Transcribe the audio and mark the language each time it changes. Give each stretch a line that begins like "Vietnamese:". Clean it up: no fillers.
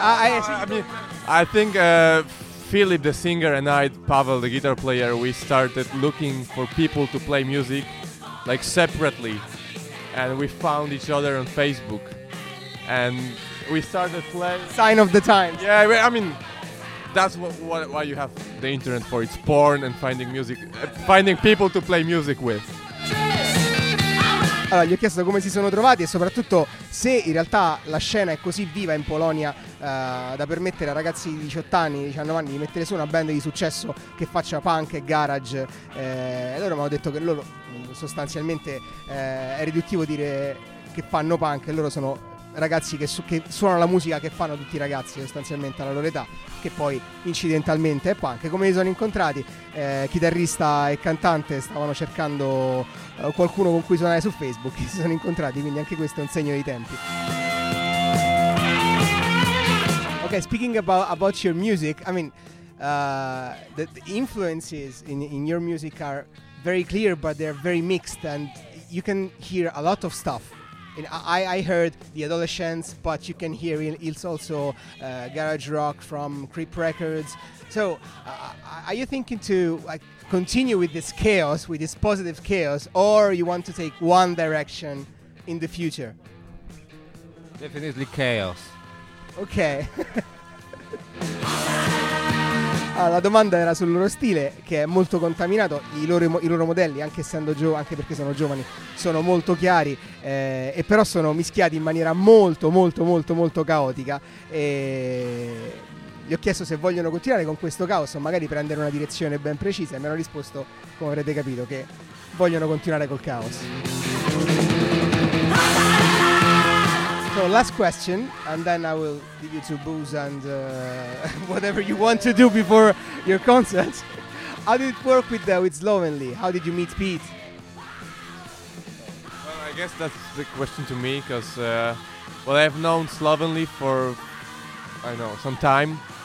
English: I think Philip, the singer, and I, Pavel, the guitar player, we started looking for people to play music, like, separately. And we found each other on Facebook. And we started playing... Sign of the times. Yeah, I mean, that's why you have the internet for. It's porn and finding music, finding people to play music with.
Italian: Allora, gli ho chiesto come si sono trovati e soprattutto se in realtà la scena è così viva in Polonia da permettere a ragazzi di 18 anni, 19 anni di mettere su una band di successo che faccia punk e garage. Loro mi hanno detto che loro sostanzialmente è riduttivo dire che fanno punk, e loro sono ragazzi che suonano la musica che fanno tutti i ragazzi sostanzialmente alla loro età, che poi incidentalmente è punk. Come li sono incontrati? Chitarrista e cantante stavano cercando qualcuno con cui suonare su Facebook e si sono incontrati, quindi anche questo è un segno dei tempi.
English: Ok, speaking about your music, I mean, the influences in your music are very clear, but they're very mixed and you can hear a lot of stuff. I heard the Adolescents, but you can hear it's also garage rock from Creep Records. So, are you thinking to continue with this chaos, with this positive chaos, or you want to take one direction in the future? Definitely chaos. Okay.
Italian: La domanda era sul loro stile, che è molto contaminato. I loro modelli, anche essendo anche perché sono giovani, sono molto chiari, e però sono mischiati in maniera molto molto molto molto caotica, e gli ho chiesto se vogliono continuare con questo caos o magari prendere una direzione ben precisa, e mi hanno risposto, come avrete capito, che vogliono continuare col caos.
English: So last question, and then I will give you to booze and whatever you want to do before your concert. How did it work with Slovenly? How did you meet Pete? Well, I guess that's the question to me, because well, I've known Slovenly for, I know, some time.